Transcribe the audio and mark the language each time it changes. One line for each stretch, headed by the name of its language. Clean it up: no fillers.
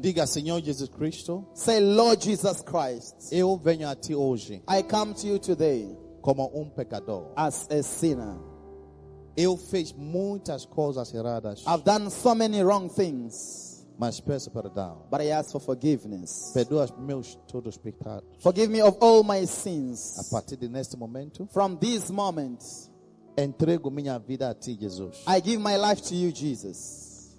Portuguese: Diga, Senhor Jesus Cristo.
English: Say, Lord Jesus Christ.
Portuguese: Eu venho a ti hoje.
English: I come to you today.
Portuguese: Como pecador.
English: As a sinner.
Portuguese: Eu fiz muitas coisas erradas.
English: I've done so many wrong things.
Portuguese: Mas peço perdão.
English: But I ask for forgiveness.
Portuguese: Perdoa meus todos pecados.
English: Forgive me of all my sins.
Portuguese: A partir de neste momento.
English: From this moment.
Portuguese: Entrego minha vida a ti, Jesus.
English: I give my life to you, Jesus.